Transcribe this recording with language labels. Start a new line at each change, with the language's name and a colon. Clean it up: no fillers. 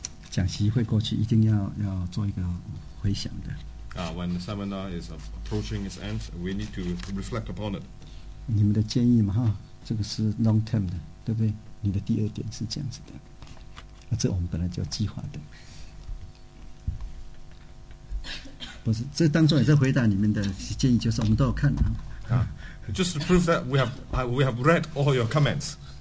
Chinese: 讲习会过去一定 要做一个回想的。
English: When the seminar is approaching its end, we need to reflect upon it.
Chinese: 你们的建议嘛，这个是 long term 的，对不对？你的第二点是这样子的，这我们本来就计划的。不是，这当中也在回答你们的建议，就是我们都有看的。
English: Just to prove that we have read all your comments.